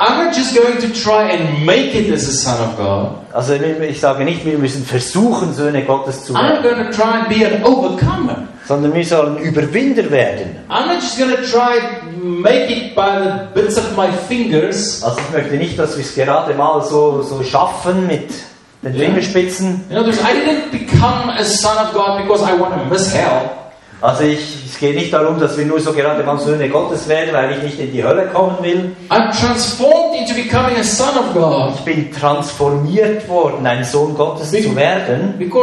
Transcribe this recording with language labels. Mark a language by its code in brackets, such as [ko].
[en] I'm not just going to try and make it as a son of God. [de] Also ich sage nicht, wir müssen versuchen, Söhne Gottes zu werden. [en] I'm going to try and be an overcomer. [de] Sondern wir sollen Überwinder werden. [en] I'm not just going to try make it by the bits of my fingers. [de] Also ich möchte nicht, dass wir es gerade mal so schaffen mit den Fingerspitzen. [en] In other words, I didn't become a son of God because I want to miss hell. [de] Also es geht nicht darum, dass wir nur so gerade mal Söhne Gottes werden, weil ich nicht in die Hölle kommen will. [en] I'm transformed into becoming a son of God. [de] Ich bin transformiert worden, ein Sohn Gottes zu werden.